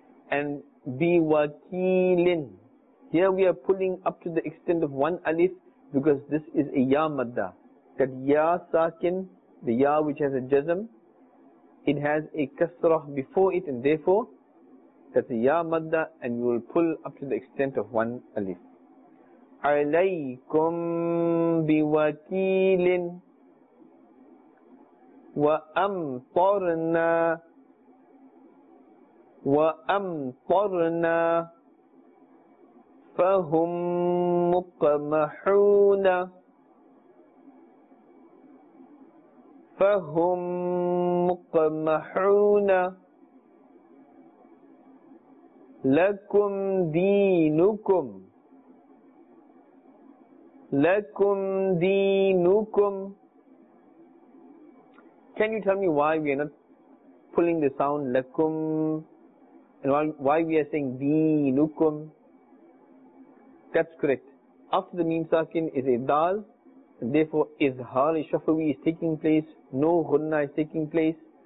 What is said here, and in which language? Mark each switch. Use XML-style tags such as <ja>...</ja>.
<en>And biwakilin, here we are pulling up to the extent of one alif, because this is a ya madda. That ya sakin, the ya which has a jazm, it has a kasrah before it, and therefore that the ya madda, and you will pull up to the extent of one alif.</en> <ar>عليكم بوكيل وأمطرنا وأمطرنا فهم مقمحون فهم مقمحون لكم دينكم لكم دينكم.</ar> <en>Can you tell me why we are not pulling the sound لكم and why we are saying دينكم? That's correct. After the meem sakin is a dal, and therefore izhar shafawi is taking place, no ghunna is taking place.</en>